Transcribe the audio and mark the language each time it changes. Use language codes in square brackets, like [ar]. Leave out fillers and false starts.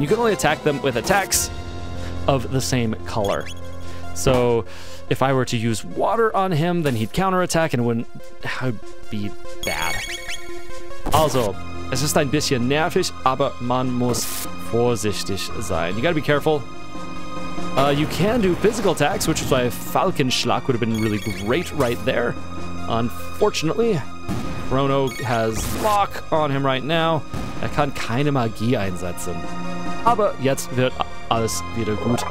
[en] You can only attack them with attacks of the same color. So, if I were to use water on him, then he'd counterattack and I'd be bad. [de] Also, es ist ein bisschen nervig, aber man muss vorsichtig sein. [en] You gotta be careful. You can do physical attacks, which is why Falkenschlag would have been really great right there. Unfortunately, Chrono has lock on him right now. [de] Kann keine Magie einsetzen. Aber jetzt wird alles wieder gut.